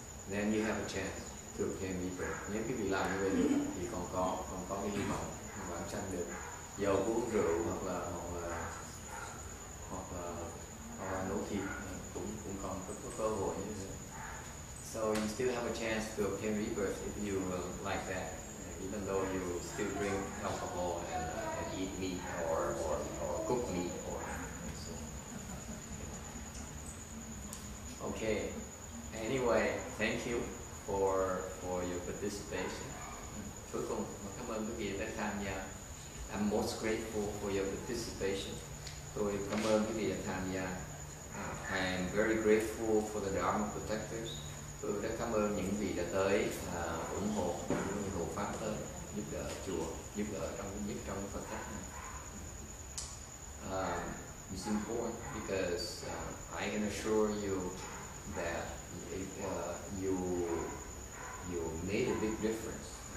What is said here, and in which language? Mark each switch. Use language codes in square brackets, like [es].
[en] Then you have a chance to obtain rebirth. [vi] Nếu quý vị làm như vậy thì còn có cái hy vọng vãng sanh được. Dầu uống rượu hoặc là nấu thịt cũng còn có cơ hội như thế. [en] So you still have a chance to obtain rebirth if you like that. Even though you still drink alcohol and eat meat or cook meat or so. Okay. Anyway, thank you for your participation. [vi] Cuối cùng, cảm ơn quý vị đã tham gia. [en] I'm most grateful for your participation. [vi] Tôi cảm ơn quý vị đã tham gia. [en] I am very grateful for the Dharma protectors. [vi] Tôi rất cảm ơn những vị đã tới ủng hộ, những hộ pháp tới giúp đỡ chùa, giúp đỡ trong Phật pháp này. [en] It's important because I can assure you that you made a big difference.